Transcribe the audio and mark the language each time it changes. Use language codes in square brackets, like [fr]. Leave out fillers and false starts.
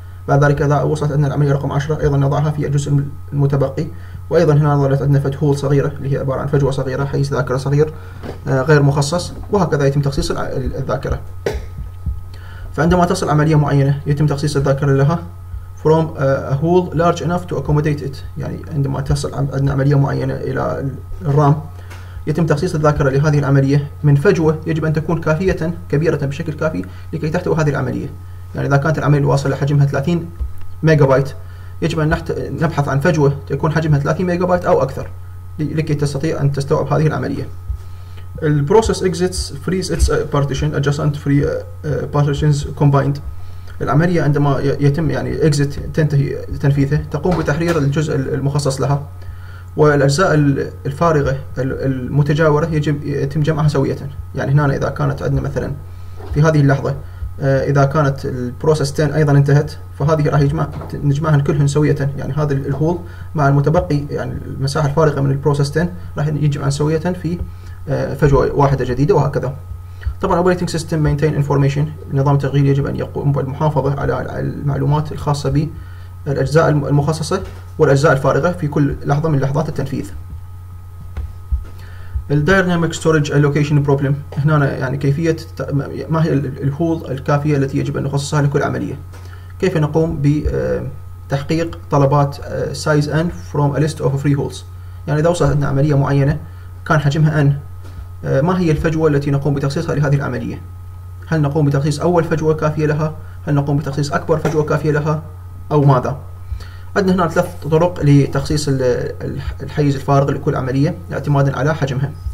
[ar] بعد ذلك إذا وصلت عندنا العملية رقم 10 أيضا نضعها في الجزء المتبقي، وأيضا هنا ظلت عندنا فت هول صغيرة اللي هي عبارة عن فجوة صغيرة حيز ذاكرة صغير غير مخصص، وهكذا يتم تخصيص الذاكرة. فعندما تصل عملية معينة يتم تخصيص الذاكرة لها [en] from a hole large enough to accommodate it. [ar] يعني عندما تصل عندنا عملية معينة إلى الرام يتم تخصيص الذاكرة لهذه العملية من فجوة يجب أن تكون كافية كبيرة بشكل كافي لكي تحتوي هذه العملية. يعني إذا كانت العملية واصلة لحجمها 30 ميجا بايت يجب أن نبحث عن فجوة تكون حجمها 30 ميجا بايت أو أكثر لكي تستطيع أن تستوعب هذه العملية. [en] The process exits frees its partition adjacent free partitions combined. [ar] العملية عندما يتم يعني exit تنتهي تنفيذه تقوم بتحرير الجزء المخصص لها والأجزاء الفارغة المتجاورة يجب يتم جمعها سوية. يعني هنا إذا كانت عندنا مثلا في هذه اللحظة إذا كانت البروسس 10 أيضا انتهت فهذه راح نجمعها كلهن سوية. يعني هذا الهول مع المتبقي يعني المساحة الفارغة من البروسس 10 راح يجمع سوية في فجوة واحدة جديدة وهكذا. طبعا [en] operating system maintain information [ar] نظام التشغيل يجب أن يقوم بالمحافظة على المعلومات الخاصة بالأجزاء المخصصة والأجزاء الفارغة في كل لحظة من لحظات التنفيذ. [en] الدايناميك storage allocation problem [ar] هنا يعني كيفية ما هي الهول الكافية التي يجب أن نخصصها لكل عملية. كيف نقوم بتحقيق طلبات [en] Size n from a list of free holes. [ar] يعني إذا وصلت عندنا عملية معينة كان حجمها n ما هي الفجوة التي نقوم بتخصيصها لهذه العملية. هل نقوم بتخصيص أول فجوة كافية لها، هل نقوم بتخصيص أكبر فجوة كافية لها أو ماذا. عندنا هنا ثلاث طرق لتخصيص الحيز الفارغ لكل عملية اعتمادا على حجمها.